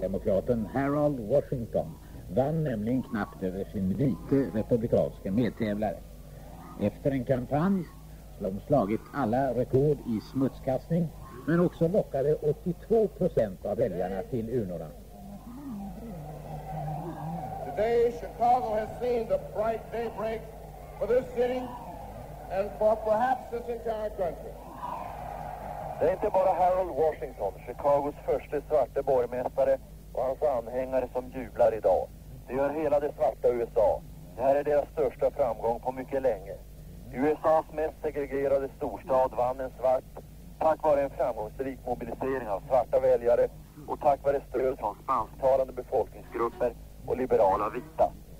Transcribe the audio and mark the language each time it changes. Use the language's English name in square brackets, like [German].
[Swedish] Demokraten Harold Washington vann nämligen knappt över sin vita republikanska medtävlare. Efter en kampanj som slagit alla rekord i smutskastning men också lockade 82% av väljarna till urnorna. [English] Today Chicago has seen the bright daybreak for this city and for perhaps this entire country. [Swedish] Det är inte bara Harold Washington, Chicagos första svarte borgmästare och hans anhängare som jublar idag. Det gör hela det svarta USA. Det här är deras största framgång på mycket länge. USAs mest segregerade storstad vann en svart tack vare en framgångsrik mobilisering av svarta väljare och tack vare stöd från spansktalande befolkningsgrupper och liberala vita.